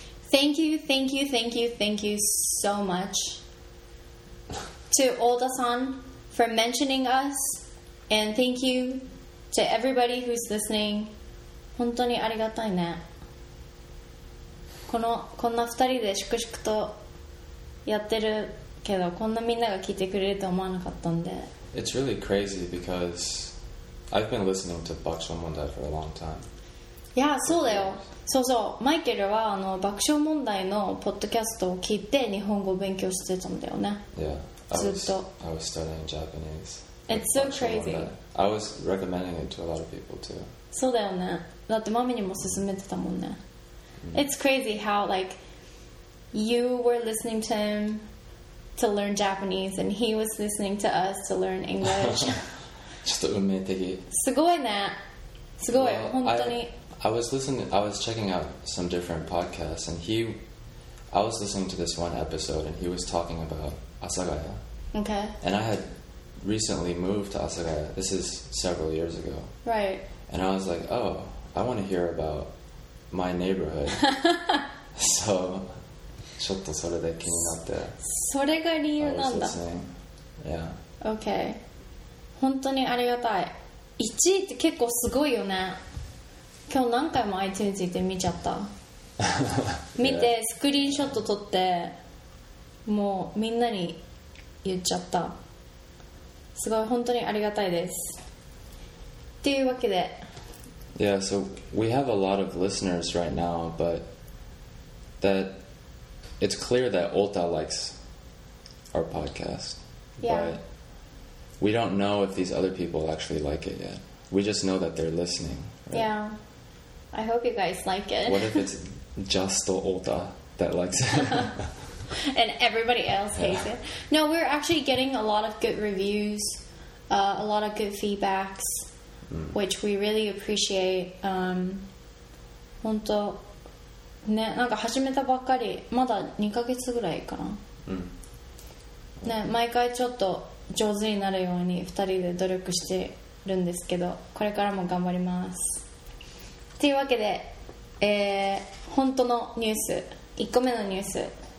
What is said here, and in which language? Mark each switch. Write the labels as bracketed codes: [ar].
[en] Thank you so much to Oda-san for mentioning us, and thank you to everybody who's listening. [ja] 本当にありがたいね。こんな二人で粛々とやってるけど、こんなみんなが聞いてくれると思わなかったんで。 [en] It's really crazy because I've been listening to 爆笑問題 for a long time. [ja] いや、そうだよ。そうそう。マイケルはあの爆笑問題のポッドキャストを聞いて日本語を勉強してたんだよね。 [en] Yeah. I was studying Japanese. It's so crazy. I was recommending it to a lot of people too. [ja] そうだよね。だってマミにも勧めてたもんね。 [en] It's crazy how like you were listening to him to learn Japanese and he was listening to us to learn English. [ja] ちょっと運命的。すごいね。すごい、本当に。 [en] I was checking out some different podcasts and I was listening to this one episode and he was talking about Asagaya. Okay. And I had recently moved to Asagaya. This is several years ago. Right. And I was like, oh, I want to hear about my neighborhood. [ja] So, ちょっとそれで気になって。それが理由なんだ。 [en] Yeah. [ja] Okay. 本当にありがたい。 1位って結構すごいよね。今日何回も iTunes で見ちゃった。見てスクリーンショット撮って、もうみんなに言っちゃった。すごい、本当にありがたいです。っていうわけで、 [en] Yeah, so we have a lot of listeners right now, but that it's clear that Ota likes our podcast. Yeah. But we don't know if these other people actually like it yet. We just know that they're listening, right? Yeah. I hope you guys like it. What if it's just Ota that likes it? And everybody else hates it. No, we're actually getting a lot of good reviews, a lot of good feedbacks, which we really appreciate. [ja] 本当ね、なんか始めたばっかり、まだ2ヶ月ぐらいかな。ね、毎回ちょっと上手になるように2人で努力してるんですけど、これからも頑張ります。というわけで、本当のニュース、1個目のニュース。